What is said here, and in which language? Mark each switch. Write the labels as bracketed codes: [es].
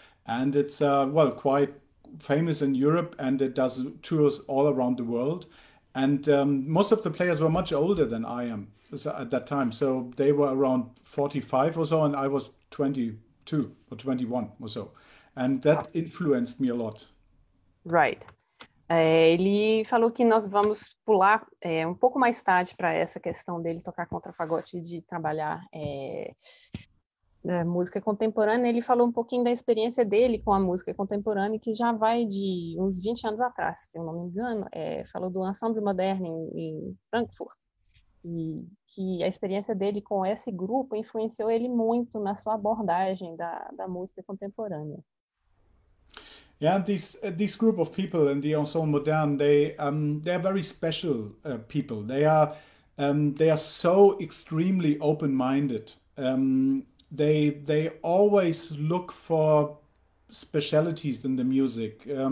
[en] And it's well, quite famous in Europe, and it does tours all around the world. And most of the players were much older than I am at that time. So they were around 45 or so, and I was 22 or 21 or so. And that influenced me a lot. Right. [pt] Ele falou que nós vamos pular um pouco mais tarde para essa questão dele tocar contra fagote e de trabalhar música contemporânea. Ele falou um pouquinho da experiência dele com a música contemporânea, que já vai de uns 20 anos atrás, se eu não me engano. Falou do Ensemble Moderne em Frankfurt, e que a experiência dele com esse grupo influenciou ele muito na sua abordagem da música contemporânea. [en] Yeah, and this group of people in the Ensemble Moderne, they are very special people. They are so extremely open-minded. They always look for specialties in the music.